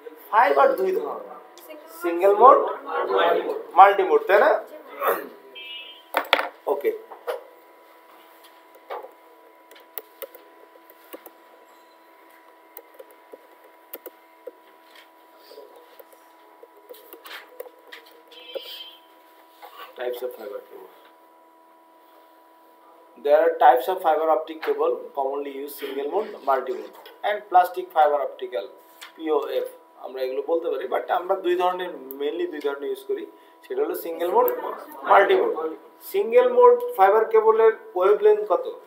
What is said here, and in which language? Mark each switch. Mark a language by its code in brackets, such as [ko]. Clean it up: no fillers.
[bn] Fibre দুই ধরনের, single mode, multi mode, তাই না? [en] Okay, types of fiber cable. There are types of fiber optic cable commonly used, single mode, multi mode and plastic fiber optical POF. [bn] আমরা এগুলো বলতে পারি, but আমরা দুই ধরনের, মেইনলি দুই ধরনের ইউজ করি, সেটা হলো single mode, multi mode. Single mode fibre কেবলের ওয়েভলেন্থ কত?